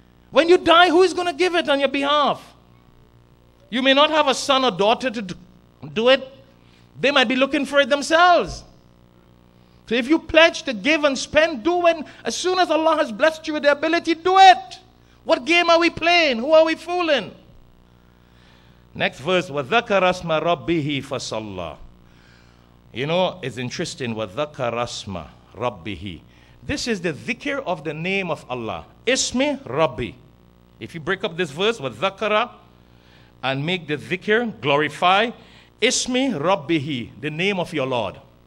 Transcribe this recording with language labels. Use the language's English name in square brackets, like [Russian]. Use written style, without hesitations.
[English] When you die, who is going to give it on your behalf? You may not have a son or daughter to do it. They might be looking for it themselves. So if you pledge to give and spend, do it. As soon as Allah has blessed you with the ability, do it. What game are we playing? Who are we fooling? Next verse, [Arabic] وَذَكَرَ اسْمَ رَبِّهِ فَصَلَّىٰ. [English] You know, it's interesting. [Arabic] وَذَكَرَ اسْمَ رَبِّهِ. [English] This is the dhikr of the name of Allah. Ismi Rabbi. If you break up this verse, وَذَكَرَ, and make the dhikr glorify, Ismi Rabbihi, the name of your Lord.